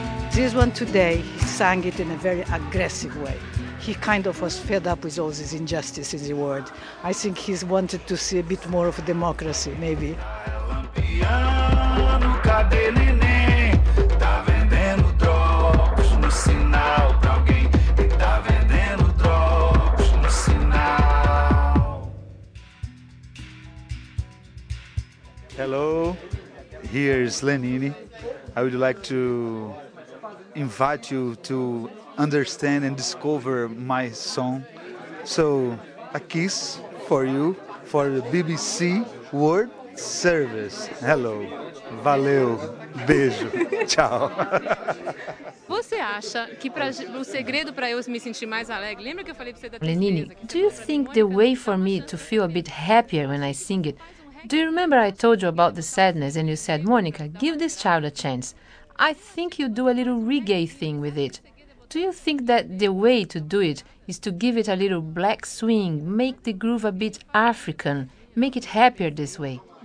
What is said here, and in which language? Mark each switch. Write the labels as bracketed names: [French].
[English] This one today, he sang it in a very aggressive way. He kind of was fed up with all these injustices in the world. I think he's wanted to see a bit more of a democracy, maybe. [Portuguese] Lampiano, cadê neném? Tá vendendo drops no sinal pra alguém. E tá vendendo drops no sinal. [English] Hello, here is Lenine. I would like to invite you to understand and discover my song. So, a kiss for you, for the BBC World Service. [Portuguese] Hello. Valeu. Beijo. Tchau. Você acha que para o segredo para eu me sentir mais alegre? Lembra que eu falei para você da [English] Lenine, do you think the way for me to feel a bit happier when I sing it? Do you remember I told you about the sadness and you said, Monica, give this child a chance. I think you do a little reggae thing with it. Do you think that the way to do it is to give it a little black swing, make the groove a bit African, make it happier this way?